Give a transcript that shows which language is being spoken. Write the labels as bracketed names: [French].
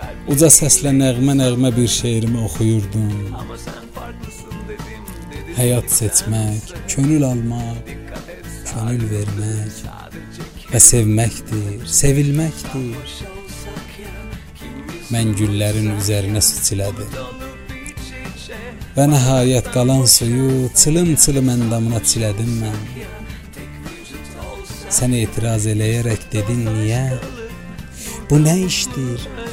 [Azerbaijani] Uca sesle nəğmə nəğmə bir şeirimi oxuyurdun. [Turkish] Hayat seçmek, könül almak, könül vermek ve sevmektir, sevilmektir. [Azerbaijani] Mən güllərin üzərinə su çilədim. Və nəhayət qalan suyu çılım-çılım əndamına çilədim mən. Sən etiraz eləyərək dedin, niyə? Bu nə işdir?